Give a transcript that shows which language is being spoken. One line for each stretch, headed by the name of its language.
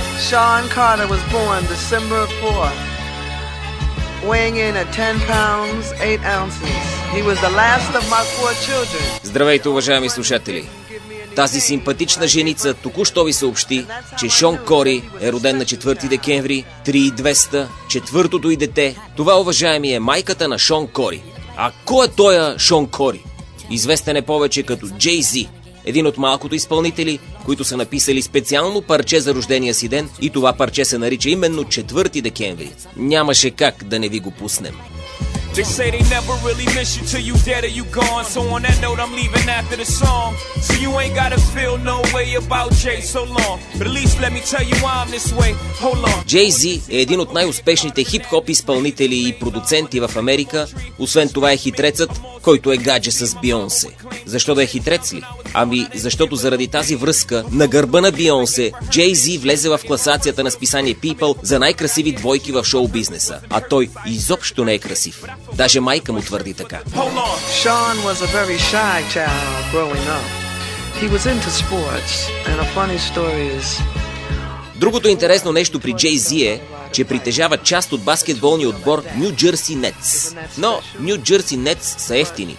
English: Sean Carter was born December 4th, weighing in at 10 pounds, 8 ounces. He was the last of my four children.
Bulgarian: Здравейте, уважаеми слушатели! Тази симпатична женица току-що ви съобщи, че Шон Кори е роден на 4 декември, 3200, четвъртото и дете. Това, уважаеми, е майката на Шон Кори. А кой е тоя Шон Кори? Известен е повече като Джей Зи, един от малкото изпълнители, които са написали специално парче за рождения си ден, и това парче се нарича именно 4 декември. Нямаше как да не ви го пуснем.
English: They say they never really miss you till you dead or you gone. So on that note, I'm leaving after the song. So you ain't gotta feel no way about Jay so long. But at least let me tell you why I'm this way. Hold on.
Bulgarian: Jay-Z е един от най-успешните хип-хоп изпълнители и продуценти в Америка. Освен това е хитрецът, който е гадже с Бионсе. Защо да е хитрец ли? Ами защото заради тази връзка на гърба на Бионсе, Jay-Z влезе в класацията на списание People за най-красиви двойки в шоу-бизнеса. А той изобщо не е красив. Даже майка му твърди така.
English: Sean was a very shy child growing up. He was into sports and a funny story is...
Bulgarian: Другото интересно нещо при Jay-Z е, че притежава част от баскетболния отбор New Jersey Nets. Но New Jersey Nets са ефтини.